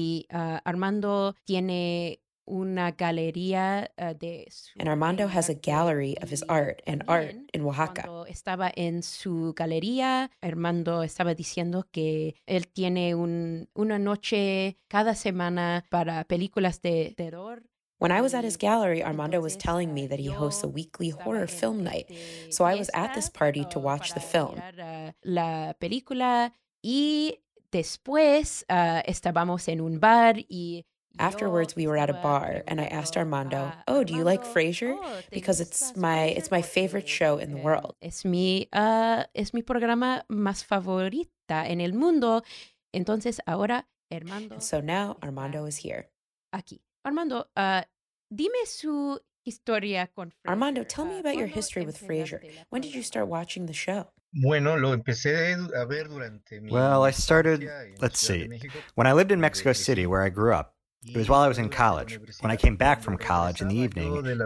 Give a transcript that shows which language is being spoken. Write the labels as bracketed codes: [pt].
[es] Armando tiene una galería de [en] And Armando has a gallery of his art and art in Oaxaca. [es] Estaba en su galería, Armando estaba diciendo que él tiene una noche cada semana para películas de terror. [en] When I was at his gallery, Armando was telling me that he hosts a weekly horror film night. So I was at this party to watch the film. [es] La película y después estábamos en un bar y [en] afterwards, we were at a bar, and I asked Armando, oh, do you like Frasier? Because it's my favorite show in the world. [es] Es mi programa más favorita en el mundo. Entonces, ahora, Armando. [en] And so now, Armando is here. [es] Aquí. Armando, dime su historia con Frasier. [en] Armando, tell me about your history with Frasier. When did you start watching the show? [es] Bueno, lo empecé a ver durante mi... [en] Well, I started, let's see, when I lived in Mexico City, where I grew up. It was while I was in college, when I came back from college in the evening.